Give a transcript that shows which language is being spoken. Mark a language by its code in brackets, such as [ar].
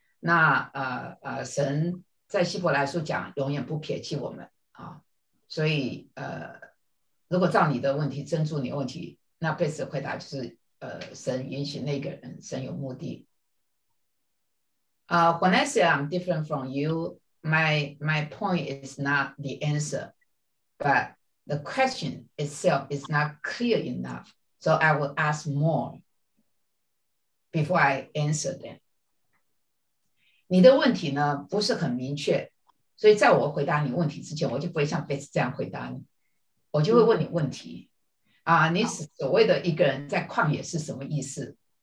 [zh] 那神在希伯来书讲永远不撇弃我们啊。所以如果照你的问题，珍珠你的问题，那贝斯的回答就是，神允许那个人，神有目的。 [en] When I say I'm different from you, my point is not the answer, but the question itself is not clear enough, so I will ask more before I answer them. [zh] 你的问题呢，不是很明确，所以在我回答你问题之前，我就不会像贝斯这样回答你。我就会问你问题，你所谓的一个人在旷野是什么意思？